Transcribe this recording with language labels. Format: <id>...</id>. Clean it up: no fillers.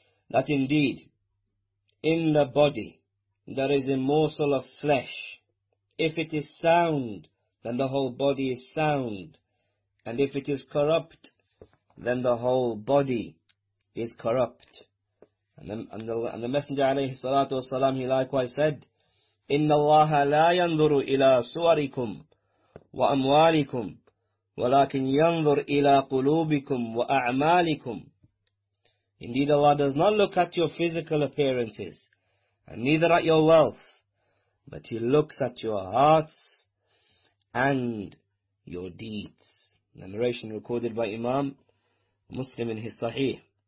<en>That indeed, in the body, there is a morsel of flesh. If it is sound, then the whole body is sound. And if it is corrupt, then the whole body is corrupt. And the Messenger alayhi salatu wasalam, he likewise said,</en> <ar>إِنَّ اللَّهَ لَا يَنْظُرُ إِلَىٰ صُوَرِكُمْ وَأَمْوَالِكُمْ وَلَكِنْ يَنْظُرُ إِلَىٰ قُلُوبِكُمْ وَأَعْمَالِكُمْ.</ar> <en>Indeed Allah does not look at your physical appearances, and neither at your wealth, but He looks at your hearts and your deeds. Narration recorded by Imam Muslim in his Sahih.</en>